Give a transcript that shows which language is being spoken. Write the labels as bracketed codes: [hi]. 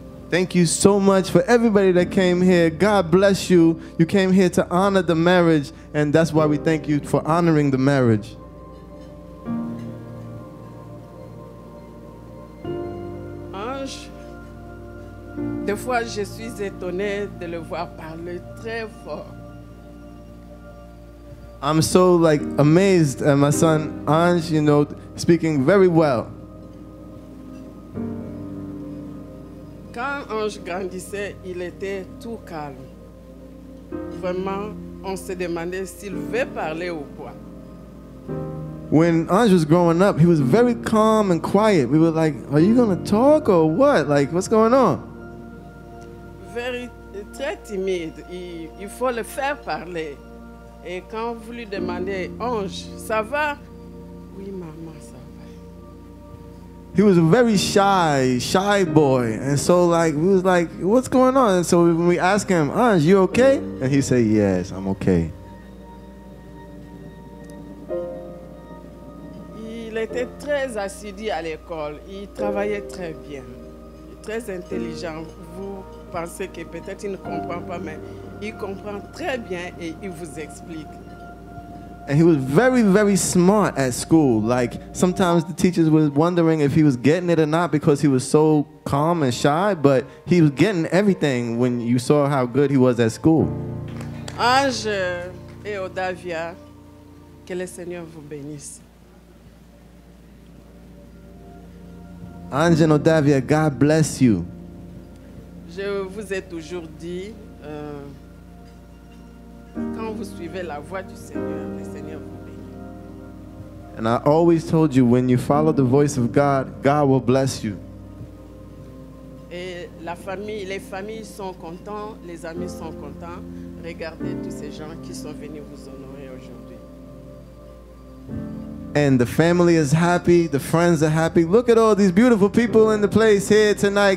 [en] Thank you so much for everybody that came here. God bless you. You came here to honor the marriage, and that's why we thank you for honoring the marriage. [fr] Ange, des fois je suis étonnée de le voir parler très fort. [en] I'm so like amazed at my son Ange, you know, speaking very well. [fr] Quand Ange grandissait, il était tout calme. Vraiment, on se demandait s'il veut parler ou quoi. [en] When Ange was growing up, he was very calm and quiet. We were like, are you going to talk or what? Like, what's going on? Very, [fr] très timide. Il faut le faire parler. Et quand vous lui demandez, Ange, ça va? Oui, maman, ça va. [en] He was a very shy boy. And so like, we was like, what's going on? And so when we ask him, Ange, you okay? And he said, yes, I'm okay. [fr] Il était très assidu à l'école. Il travaillait très bien. Très intelligent. Vous pensez que peut-être il ne comprend pas, mais il comprend très bien et il vous explique. [en] And he was very, very smart at school. Like, sometimes the teachers were wondering if he was getting it or not because he was so calm and shy, but he was getting everything when you saw how good he was at school. [fr] Ange et Hodaviah, que le Seigneur vous bénisse. [en] Ange and Hodaviah, God bless you. [fr] Je vous ai toujours dit... Quand vous suivez la voie du Seigneur, le Seigneur vous bénit. [en] And I always told you, when you follow the voice of God, God will bless you. [fr] Et la famille, les familles sont contents, les amis sont contents. Regardez tous ces gens qui sont venus vous honorer aujourd'hui. [en] And the family is happy, the friends are happy. Look at all these beautiful people in the place here tonight.